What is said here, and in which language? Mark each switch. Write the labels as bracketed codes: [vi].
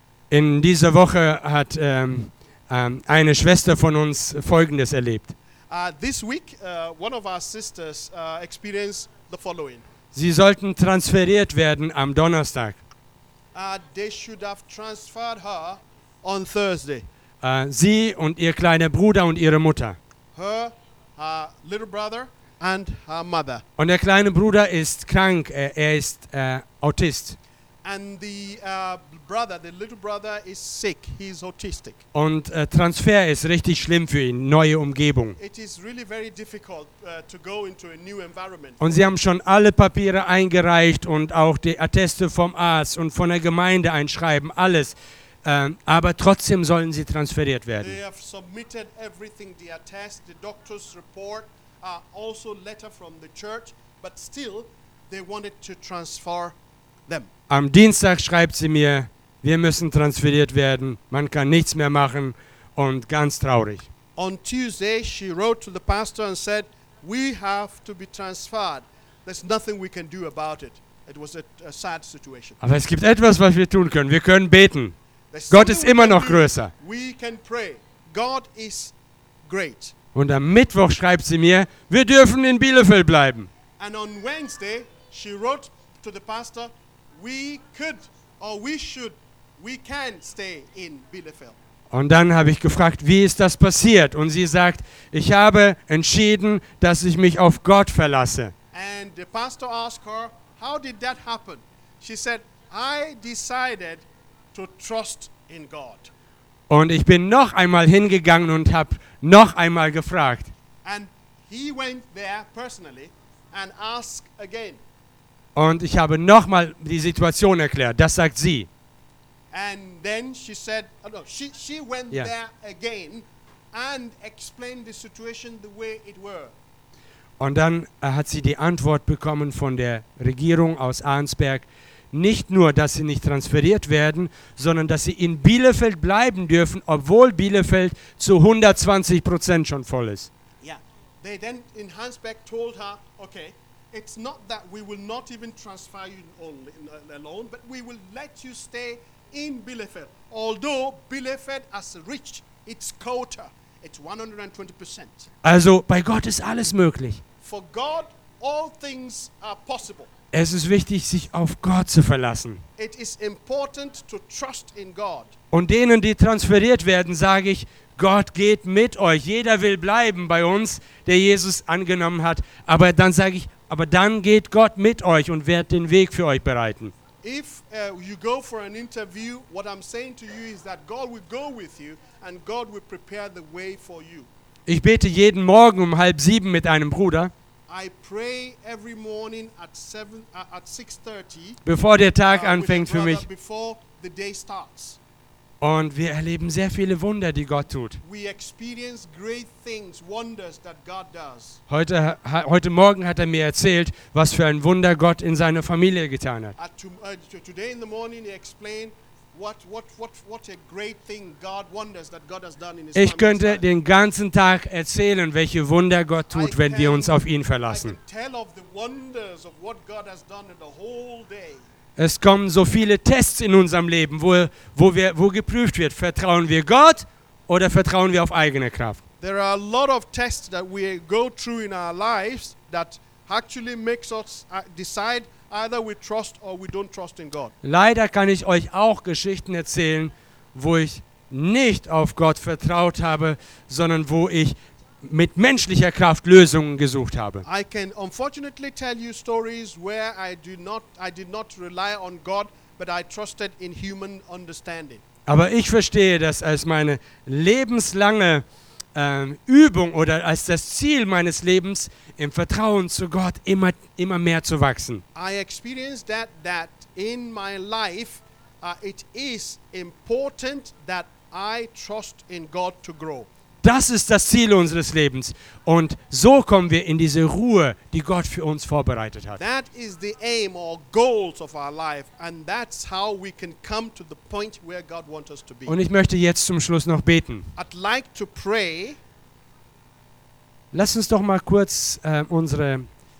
[de] In dieser Woche hat eine Schwester von uns Folgendes erlebt. [en] This week, one of our sisters experienced the following. [de] Sie sollten transferiert werden am Donnerstag. [en] They should have transferred her on Thursday. [de] Sie und ihr kleiner Bruder und ihre Mutter. [en] Her, her little brother and her mother. [de] Und der kleine Bruder ist krank. Er ist Autist. [en] And the brother, the little brother is sick. He's autistic. [de] Und Transfer ist richtig schlimm für ihn, neue Umgebung. [en] It is really very difficult to go into a new environment. [de] Und sie haben schon alle Papiere eingereicht und auch die Atteste vom Arzt und von der Gemeinde einschreiben, alles. Aber trotzdem sollen sie transferiert werden. [en] They have submitted everything, the attest, the doctor's report, also letter from the church, but still they wanted to transfer them. [de] Am Dienstag schreibt sie mir, wir müssen transferiert werden, man kann nichts mehr machen und ganz traurig. [en] On Tuesday she wrote to the pastor and said, we have to be transferred. There's nothing we can do about it. It was a sad situation. [de] Aber es gibt etwas, was wir tun können. Wir können beten. Gott ist immer noch größer. [en] We can pray. God is great. [de] Und am Mittwoch schreibt sie mir, wir dürfen in Bielefeld bleiben. [en] And on Wednesday she wrote to the pastor, we could or we should, we can stay in Bielefeld. [de] Und dann habe ich gefragt, wie ist das passiert? Und sie sagt, ich habe entschieden, dass ich mich auf Gott verlasse. [en] And the pastor asked her, how did that happen? She said, I decided to trust in God. [de] Und ich bin noch einmal hingegangen und habe noch einmal gefragt. [en] And he went there personally and asked again. [de] Und ich habe nochmal die Situation erklärt. Das sagt sie. [en] And then she said, oh no, she went yeah. there again and explained the situation the way it were. [de] Und dann hat sie die Antwort bekommen von der Regierung aus Arnsberg. Nicht nur, dass sie nicht transferiert werden, sondern dass sie in Bielefeld bleiben dürfen, obwohl Bielefeld zu 120% schon voll ist. Ja, [en] yeah. They then in Arnsberg told her, okay. It's not that we will not even transfer you alone, but we will let you stay in Bielefeld. Although Bielefeld has reached its quota, it's 120%. [de] Also, bei Gott ist alles möglich. [en] For God, all things are possible. [de] Es ist wichtig, sich auf Gott zu verlassen. [en] It is important to trust in God. [de] Und denen, die transferiert werden, sage ich, Gott geht mit euch. Jeder will bleiben bei uns, der Jesus angenommen hat. Aber dann sage ich, aber dann geht Gott mit euch und wird den Weg für euch bereiten. [en] If you go for an interview, what I'm saying to you is that God will go with you and God will prepare the way for you. [de] Ich bete jeden Morgen um 6:30 mit einem Bruder. [en] I pray every morning at 7 at 6:30. [de] Bevor der Tag anfängt für mich. [en] Before the day starts. [de] Und wir erleben sehr viele Wunder, die Gott tut. [en] We experience great things, wonders that God does. [de] Heute Morgen hat er mir erzählt, was für ein Wunder Gott in seiner Familie getan hat. [en] Today in the morning he explained what a great thing God wonders that God has done in his family. [de] Ich könnte den ganzen Tag erzählen, welche Wunder Gott tut, wenn wir uns auf ihn verlassen. [en] I can tell of the wonders of what God has done in the whole day. [de] Es kommen so viele Tests in unserem Leben, wo geprüft wird, vertrauen wir Gott oder vertrauen wir auf eigene Kraft? [en] There are a lot of tests that we go through in our lives that actually makes us decide either we trust or we don't trust in God. [de] Leider kann ich euch auch Geschichten erzählen, wo ich nicht auf Gott vertraut habe, sondern wo ich mit menschlicher Kraft Lösungen gesucht habe. [en] I can unfortunately tell you stories where I did not rely on God, but I trusted in human understanding. [de] Aber ich verstehe, dass als meine lebenslange Übung oder als das Ziel meines Lebens im Vertrauen zu Gott immer mehr zu wachsen. [en] I experienced that in my life it is important that I trust in God to grow. [de] Das ist das Ziel unseres Lebens. Und so kommen wir in diese Ruhe, die Gott für uns vorbereitet hat. [en] That is the aim or goals of our life, and that's how we can come to the point where God wants us to be. [de] Und ich möchte jetzt zum Schluss noch beten. [en] I'd like to pray. [de] Lass uns doch mal kurz unsere